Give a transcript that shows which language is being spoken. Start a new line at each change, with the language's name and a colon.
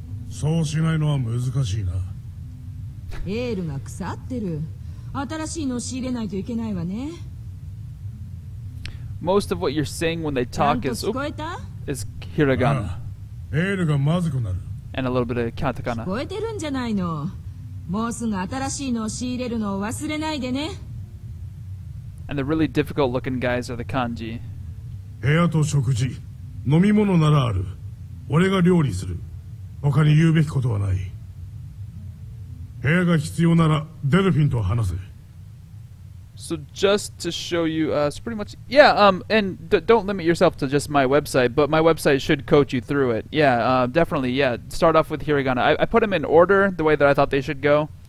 Japanese: そうしないのは難しいな。エールが腐ってる。新しいのを仕入れないといけないわね。
English: Most of what you're saying when they talk is hiragana.
Japanese: エールがまずくなる。
English: And a little bit of katakana.
Japanese: 聞こえてるんじゃないの。もうすぐ新しいのを仕入れるのを忘れないでね。
English: And the really difficult looking guys are the kanji.
Japanese: 部屋と食事、飲み物ならある。俺が料理する。他に言うべきことはない。部屋が必要ならデルフィンと話せ。
English: So just to show you, it's pretty much, yeah, don't limit yourself to just my website, but my website should coach you through it. Yeah, definitely, start off with hiragana. I put them in order the way that I thought they should go.